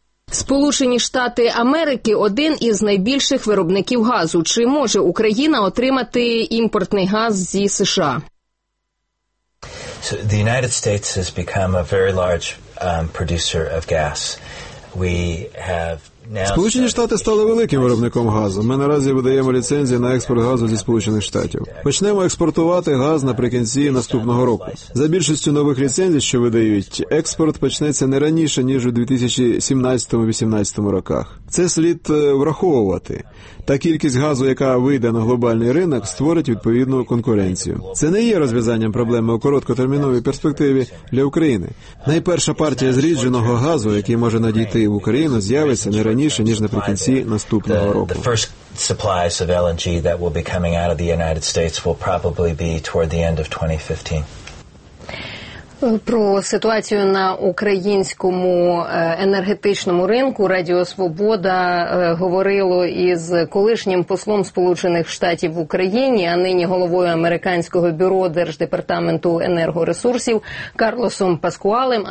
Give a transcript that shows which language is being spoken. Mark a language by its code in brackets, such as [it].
[uk] Сполучені Штати Америки – один із найбільших виробників газу. Чи може Україна отримати імпортний газ зі США? [en] So the United States has become a very large producer of gas. We have [uk] Сполучені Штати стали великим виробником газу. Ми наразі видаємо ліцензії на експорт газу зі Сполучених Штатів. Почнемо експортувати газ наприкінці наступного року. За більшістю нових ліцензій, що видають, експорт почнеться не раніше, ніж у 2017-18 роках. Це слід враховувати. Та кількість газу, яка вийде на глобальний ринок, створить відповідну конкуренцію. Це не є розв'язанням проблеми у короткотерміновій перспективі для України. Найперша партія зрідженого газу, який може надійти в Україну, з'явиться не раніше, ніж наприкінці наступного року. [en] Supplies of LNG that will be coming out of the United States will probably be toward the end of 2015. [uk] Про ситуацію на українському енергетичному ринку Радіо Свобода говорило із колишнім послом Сполучених Штатів в Україні, а нині головою американського бюро Держдепартаменту енергоресурсів Карлосом Паскуалем.